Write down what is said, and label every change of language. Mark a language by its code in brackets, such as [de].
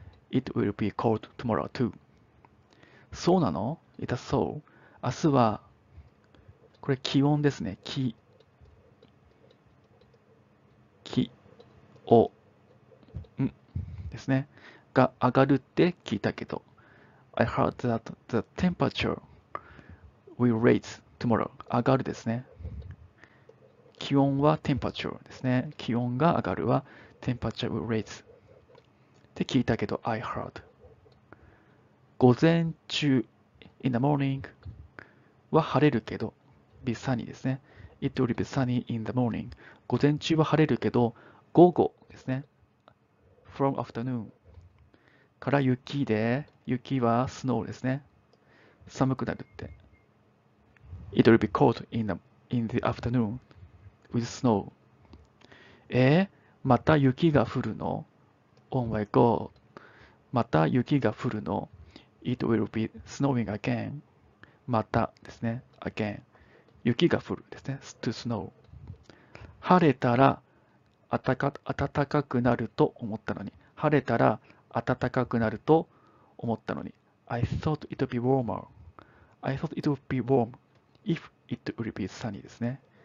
[en] It will be cold tomorrow too. [ja] そうなの？ [en] It is so. [ja] 明日は、これ気温ですね。気温ですね。が上がるって聞いたけど。 [en] I heard that the temperature will raise tomorrow. [ja] 上がるですね。気温は temperature ですね。気温が上がるは [en] temperature will raise. [ja] って聞いたけど、 [en] I heard. [ja] 午前中 [en] in the morning [ja] は晴れるけど、 [en] be sunny [ja] ですね。 [en] It will be sunny in the morning. [ja] 午前中は晴れるけど、午後ですね。 [en] from afternoon. [ja] から雪で、雪はスノーですね。寒くなるって。 [en] It will be cold in the afternoon with snow. [ja] また雪が降るの ? [en] Oh my god. [ja] また雪が降るの ? [en] It will be snowing again. [ja] またですね。 [en] again. [ja] 雪が降るですね。 [en] to snow. [ja] 晴れたら暖かくなると思ったのに。晴れたら暖かくなると思ったのに。 [en] I thought it would be warmer. I thought it would be warm if it would be sunny [ja] ですね。